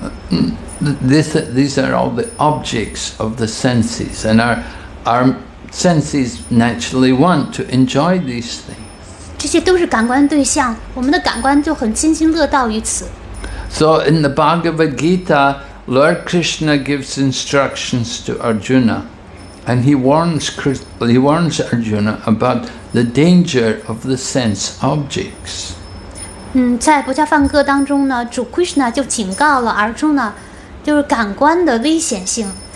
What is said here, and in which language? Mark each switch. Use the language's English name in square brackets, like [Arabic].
[English] These are all the objects of the senses, and our senses naturally want to enjoy these things. [Chinese] 这些都是感官对象，我们的感官就很津津乐道于此。 [English] So in the Bhagavad Gita, Lord Krishna gives instructions to Arjuna, and he warns Arjuna about the danger of the sense objects. [Chinese] 在《不恰饭歌》当中呢，主 Krishna 就警告了Arjuna，就是感官的危险性。